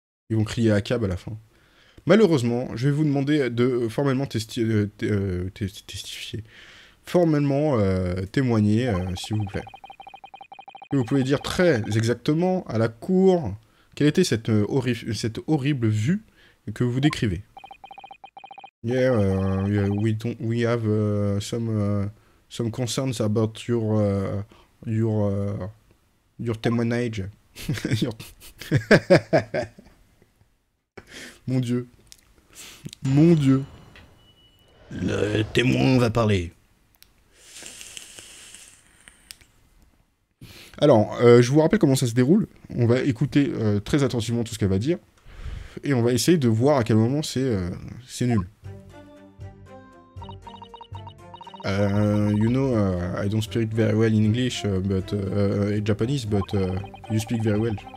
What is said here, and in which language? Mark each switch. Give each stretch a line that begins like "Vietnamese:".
French: Ils vont crier à cab à la fin. Malheureusement, je vais vous demander de formellement testifier. Formellement témoigner, s'il vous plaît. Et vous pouvez dire très exactement à la cour quelle était cette horrible vue que vous décrivez.
English: Yeah, we have some concerns about your témoignage.
French: Mon Dieu. Mon Dieu. Le témoin va parler. Alors, je vous rappelle comment ça se déroule. On va écouter très attentivement tout ce qu'elle va dire. Et on va essayer de voir à quel moment c'est nul.
English: I don't speak very well in English, but in Japanese, but you speak very well.